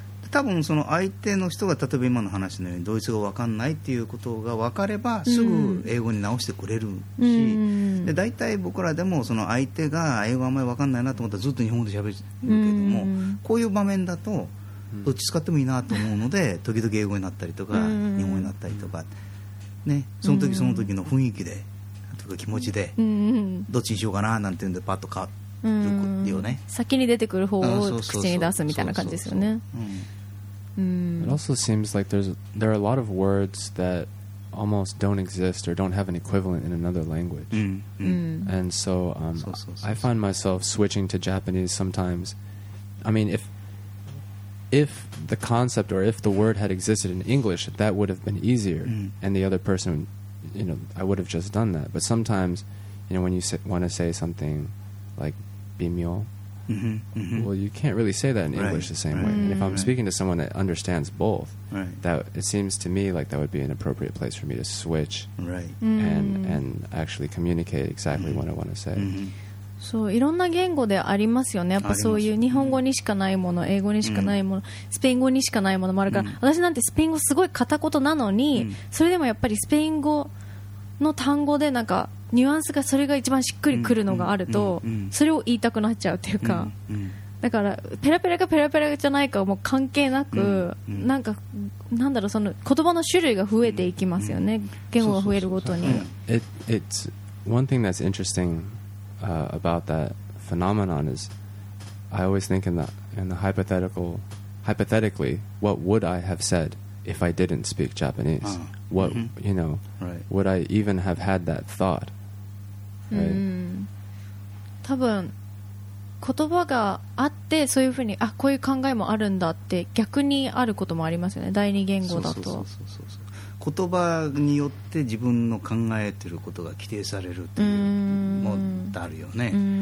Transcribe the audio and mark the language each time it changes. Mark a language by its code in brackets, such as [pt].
[ja] 多分その相手の人が例えば今の話のようにドイツ語分かんないっていうことが分かればすぐ英語に直してくれるし、だいたい僕らでもその相手が英語あんまり分かんないなと思ったらずっと日本語で喋るけども、こういう場面だとどっち使ってもいいなと思うので時々英語になったりとか日本語になったりとか、ね、その時その時の雰囲気でとか気持ちでどっちにしようかななんていうんでパッと変わってうんね、先に出てくる方を口に出すみたいな感じですよね。 [en] It also seems like there are a lot of words that almost don't exist or don't have an equivalent in another language. And so, I find myself switching to Japanese sometimes. I mean, if the concept or if the word had existed in English, that would have been easier. And the other person, you know, I would have just done that. But sometimes, you know, when you want to say something like bimyo, well, you can't really say that in English the same way. And if I'm speaking to someone that understands both, that it seems to me like that would be an appropriate place for me to switch and actually communicate exactly what I want to say. [ja] そういろんな言語でありますよね。やっぱそういう日本語にしかないもの、英語にしかないもの、スペイン語にしかないものもあるから、私なんてスペイン語すごい片言なのに、それでもやっぱりスペイン語の単語でなんかニュアンスがそれが一番しっくりくるのがあるとそれを言いたくなっちゃうっていうか、だからペラペラかペラペラじゃないかはもう関係なく、なんかなんだろう、その言葉の種類が増えていきますよね、言語が増えるごとに。 [en] It's one thing that's interesting about that phenomenon is I always think in the hypothetically what would I have said if I didn't speak Japanese? What, you know, would I even have had that thought? [ja] たぶん言葉があってそういうふうに、あ、こういう考えもあるんだって逆にあることもありますよね、第二言語だと。言葉によって自分の考えてることが規定されるっていうもあるよね。